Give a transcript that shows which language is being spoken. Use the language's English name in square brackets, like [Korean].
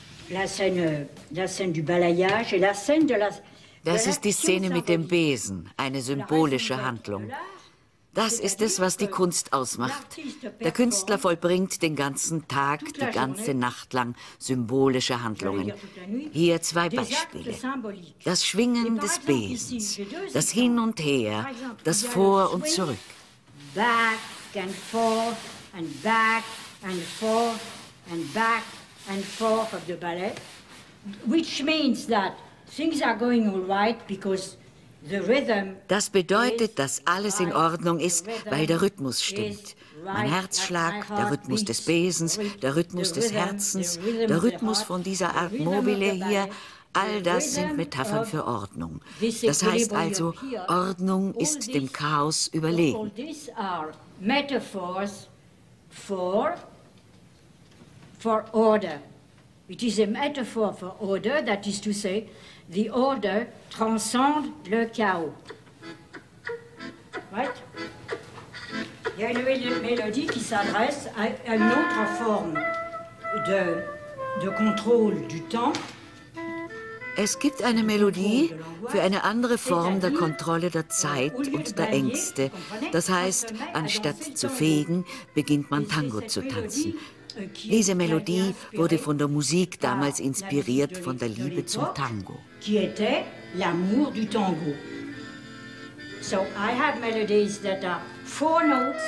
[French] La scène du balayage et la scène de la. [German] Das ist die Szene mit dem Besen, eine symbolische Handlung. Das ist es, was die Kunst ausmacht. Der Künstler vollbringt den ganzen Tag, die ganze Nacht lang symbolische Handlungen. Hier zwei Beispiele. Das Schwingen des Besens, das Hin und Her, das Vor und Zurück. [English] Back and forth and back and forth and back and forth of the ballet. Which means that things are going all right because... [German] Das bedeutet, dass alles in Ordnung ist, weil der Rhythmus stimmt. Mein Herzschlag, der Rhythmus des Besens, der Rhythmus des Herzens, der Rhythmus von dieser Art Mobile hier, all das sind Metaphern für Ordnung. Das heißt also, Ordnung ist dem Chaos überlegen. [English] All these are metaphors for order. It is a metaphor for order, that is to say, the order transcends [French] le chaos. [English] Right? [French] Il y a une mélodie qui s'adresse à une autre forme de contrôle du temps. [German] Es gibt eine Melodie für eine andere Form der Kontrolle der Zeit und der Ängste. Das heißt, anstatt zu fegen, beginnt man Tango zu tanzen. Diese Melodie wurde von der Musik damals inspiriert von der Liebe zum Tango. [French] Qui était l'amour du Tango. [English] So I have melodies that are four notes.